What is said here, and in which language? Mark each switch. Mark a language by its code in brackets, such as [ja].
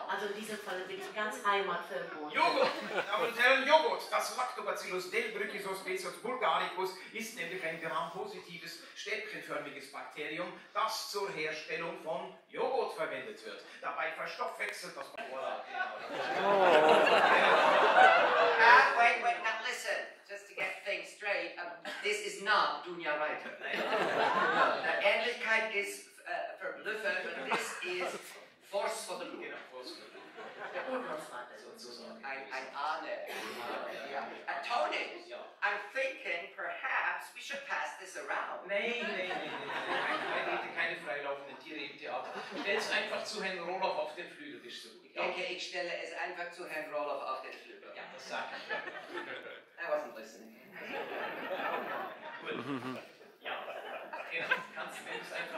[de] Also in diesem Fall bin ich ganz heimatverbunden. Joghurt, Damen und Herren, Joghurt. Das Lactobacillus debrücki suspectius bulgaricus ist nämlich ein gram-positives, stäbchenförmiges Bakterium, das zur Herstellung von Joghurt verwendet wird. Dabei verstoffwechselt das Bacillus. [en] Wait, now listen, just to get things straight, this is not Dunja Reiter. The [de] Ähnlichkeit ist verblüffend, [en] but this is Force for the Loop. [de] Genau, Force for the Loop. Der Urgroßvater sozusagen. Ein Ahne. Ja. Tony, ja. [en] I'm thinking perhaps we should pass this around. [de] Nein. Ich rede keine freilaufenden Tiere im Theater. Stell es einfach zu Herrn Roloff auf den Flügel, das ist so gut. Ja. Okay, ich stelle es einfach zu Herrn Roloff auf den Flügel. Ja, das sag ich. [en] I wasn't listening. [de] Cool. Ja, okay, kannst du mir das einfach